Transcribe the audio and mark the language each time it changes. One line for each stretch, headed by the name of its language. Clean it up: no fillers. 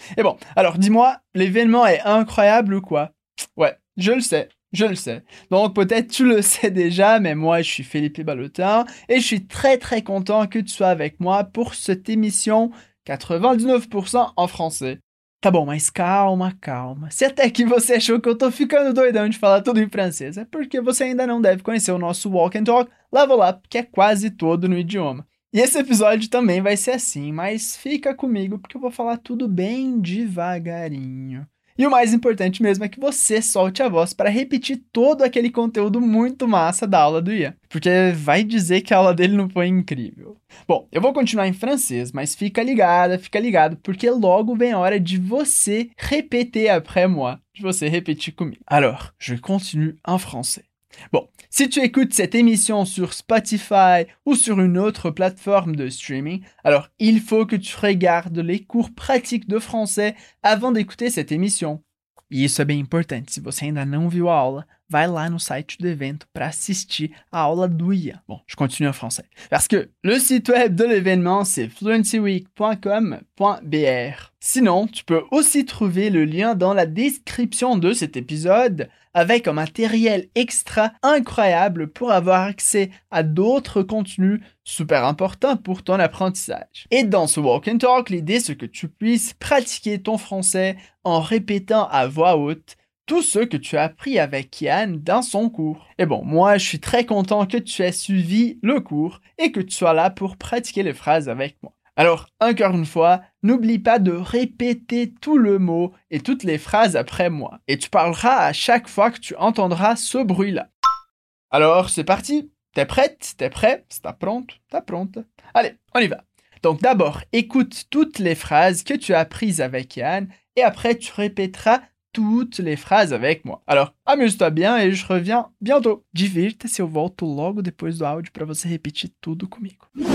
French: Et bon, alors dis-moi, l'événement est incroyable ou quoi? Ouais, je le sais, je le sais. Donc peut-être tu le sais déjà, mais moi je suis Philippe Balotin et je suis très très content que tu sois avec moi pour cette émission 99% en français.
Portuguese: Tá bom, mas calma, calma. Se até aqui você achou que eu tô ficando doidão de falar tudo em francês, é porque você ainda não deve conhecer o nosso Walk and Talk Level Up, que é quase todo no idioma. E esse episódio também vai ser assim, mas fica comigo porque eu vou falar tudo bem devagarinho. E o mais importante mesmo é que você solte a voz para repetir todo aquele conteúdo muito massa da aula do Ian. Porque vai dizer que a aula dele não foi incrível. Bom, eu vou continuar em francês, mas fica ligado, porque logo vem a hora de você repetir
French: après moi,
Portuguese: de você repetir comigo.
French: Alors, je continue en français. Bon, si tu écoutes cette émission sur Spotify ou sur une autre plateforme de streaming, alors il faut que tu regardes les cours pratiques de français avant d'écouter cette émission.
Portuguese: E isso é bem importante. Se você ainda não viu a aula, vai lá no site do evento para assistir a aula do Ian.
French: Bon, je continue en français. Parce que le site web de l'événement, c'est fluencyweek.com.br. Sinon, tu peux aussi trouver le lien dans la description de cet épisode avec un matériel extra incroyable pour avoir accès à d'autres contenus super importants pour ton apprentissage. Et dans ce Walk and Talk, l'idée c'est que tu puisses pratiquer ton français en répétant à voix haute tout ce que tu as appris avec Ian dans son cours. Et bon, moi je suis très content que tu aies suivi le cours et que tu sois là pour pratiquer les phrases avec moi. Alors, encore une fois, n'oublie pas de répéter tout le mot et toutes les phrases après moi. Et tu parleras à chaque fois que tu entendras ce bruit-là. Alors, c'est parti. T'es prête? T'es prêt? T'es pronte? T'es pronte? Allez, on y va. Donc d'abord, écoute toutes les phrases que tu as apprises avec Ian et après, tu répéteras toutes les phrases avec moi. Alors, amuse-toi bien et je reviens bientôt.
Portuguese: Divirta-se, eu volto logo depois do áudio para você repetir tudo comigo.